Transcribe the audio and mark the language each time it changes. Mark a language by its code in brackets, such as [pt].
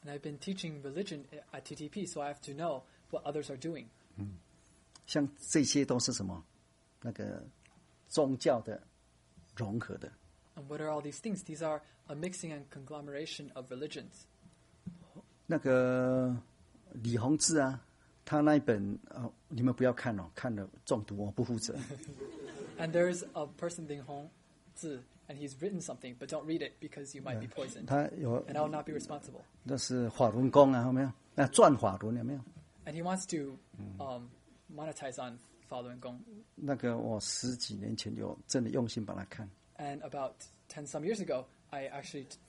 [en] And I've been teaching religion at TTP, so I have to know what others are doing. [zh] 像这些都是什么？那个宗教的融合的。 [en] And what are all these things? These are a mixing and conglomeration of religions. [zh] 那个李洪志啊，他那一本哦，你们不要看哦，看了中毒，我不负责。 [en] And there is a person Lin Hongzi, and he's written something, but don't read it because you might be poisoned. [zh] 他有 [en] and I'll not be responsible. [zh] 那是法轮功啊，有没有？那转法轮有没有 [en] ？And he wants to monetize on Falun Gong. [zh] 那个我十几年前有真的用心把它看。 [en] And about 10 some years ago, I actually